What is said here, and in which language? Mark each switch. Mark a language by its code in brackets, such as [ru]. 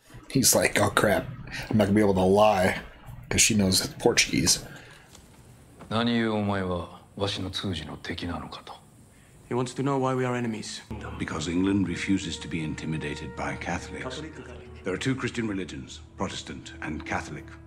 [en] He's like, oh crap, I'm not going to be able to lie, because she knows Portuguese. [ja] 何故お前はわしの通じの敵なのかと? [en] He wants to know why we are enemies. Because England refuses to be intimidated by Catholics. There are two Christian religions, Protestant and Catholic.